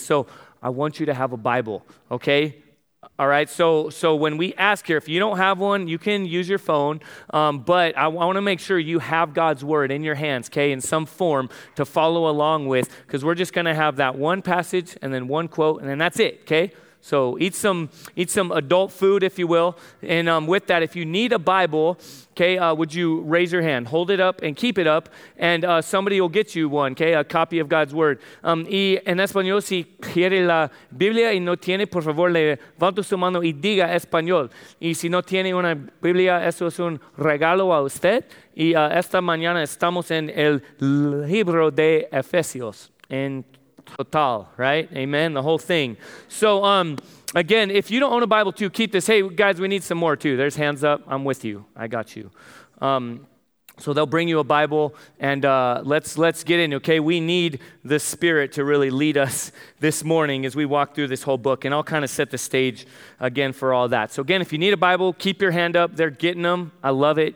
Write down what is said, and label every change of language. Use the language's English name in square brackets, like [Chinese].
[English] So I want you to have a Bible, okay? All right, so when we ask here, if you don't have one, you can use your phone, but I want to make sure you have God's word in your hands, okay, in some form to follow along with, because we're just going to have that one passage and then one quote, and then that's it, okay? So eat some adult food, if you will, and with that, if you need a Bible, okay, would you raise your hand, hold it up and keep it up, and somebody will get you one, okay, a copy of God's word. [Spanish] Y en español, si quiere la Biblia y no tiene, por favor, levanta su mano y diga español. Y si no tiene una Biblia, eso es un regalo a usted. Y esta mañana estamos en el libro de Efesios, en total, [English] right? Amen. The whole thing. So, again, if you don't own a Bible too, keep this. Hey guys, we need some more too. There's hands up. I'm with you. I got you. So they'll bring you a Bible and, let's get in. Okay. We need the Spirit to really lead us this morning as we walk through this whole book, and I'll kind of set the stage again for all that. So again, if you need a Bible, keep your hand up. They're getting them. I love it.